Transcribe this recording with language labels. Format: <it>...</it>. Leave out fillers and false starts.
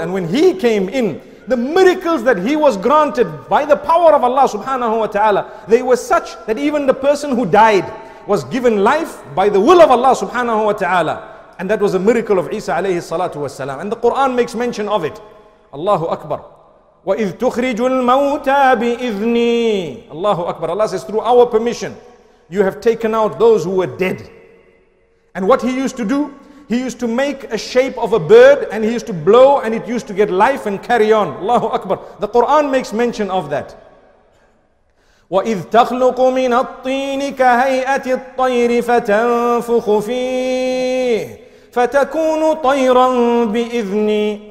<en>And when he came in, the miracles that he was granted by the power of Allah subhanahu wa ta'ala, they were such that even the person who died was given life by the will of Allah subhanahu wa ta'ala. And that was a miracle of Isa alayhi salatu wasalam. And the Quran makes mention of it.</en> <ar>Allahu Akbar. وَإِذْ تُخْرِجُ الْمَوْتَى بِإِذْنِي Allahu Akbar.</ar> <en>Allah says, through our permission, you have taken out those who were dead. And what he used to do? He used to make a shape of a bird and he used to blow and it used to get life and carry on. Allahu Akbar. The Quran makes mention of that.</en> <ar>وَإِذْ تَخْلُقُ مِنَ الطِّينِ كَهَيْئَةِ الطَّيْرِ فَتَنْفُخُ فِيهِ فَتَكُونُ طَيْرًا بِإِذْنِي</ar>